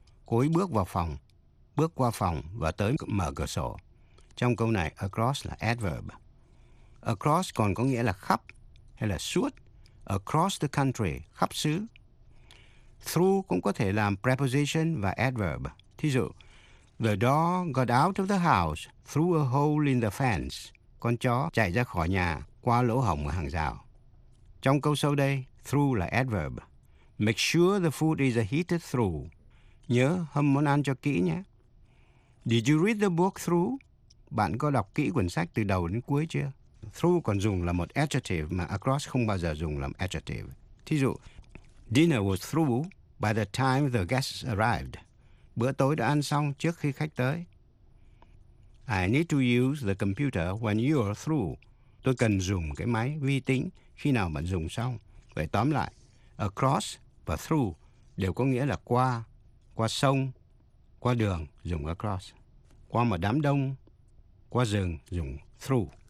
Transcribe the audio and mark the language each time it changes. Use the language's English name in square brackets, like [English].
[Vietnamese] Cô ấy bước vào phòng, bước qua phòng và tới mở cửa sổ. Trong câu này, across là adverb. Across còn có nghĩa là khắp hay là suốt. [English] Across the country, [Vietnamese] khắp xứ. Through cũng có thể làm preposition và adverb. Thí dụ, [English] the dog got out of the house through a hole in the fence. [Vietnamese] Con chó chạy ra khỏi nhà qua lỗ hổng ở hàng rào. Trong câu sau đây, through là adverb. [English] Make sure the food is heated through. [Vietnamese] Nhớ hâm món ăn cho kỹ nhé. [English] Did you read the book through? [Vietnamese] Bạn có đọc kỹ quyển sách từ đầu đến cuối chưa? Through còn dùng là một adjective mà across không bao giờ dùng làm adjective. Thí dụ, [English] dinner was through by the time the guests arrived. [Vietnamese] Bữa tối đã ăn xong trước khi khách tới. [English] I need to use the computer when you are through. [Vietnamese] Tôi cần dùng cái máy vi tính khi nào bạn dùng xong. Vậy tóm lại, across và through đều có nghĩa là qua, qua sông, qua đường dùng across. Qua một đám đông, qua rừng dùng through.